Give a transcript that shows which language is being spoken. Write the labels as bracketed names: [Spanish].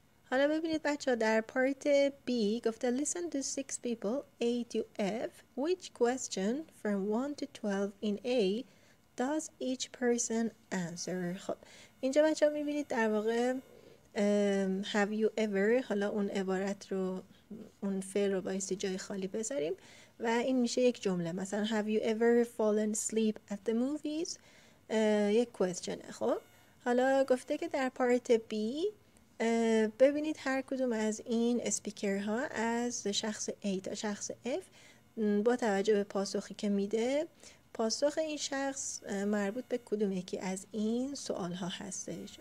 [Persian] حالا ببینید بچه ها، در پارت B گفته [English] listen to six people A to F. Which question from 1 to 12 in A does each person answer? [Persian] خب اینجا بچه ها میبینید در واقع [English] have you ever، [Persian] حالا اون عبارت رو، اون فعل رو بایستی جای خالی بذاریم و این میشه یک جمله. مثلا [English] have you ever fallen asleep at the movies؟ [Persian] یک question. خب حالا گفته که در پارت B ببینید هر کدوم از این اسپیکرها از شخص A تا شخص F با توجه به پاسخی که میده، پاسخ این شخص مربوط به کدوم یکی از این سوالها هستش.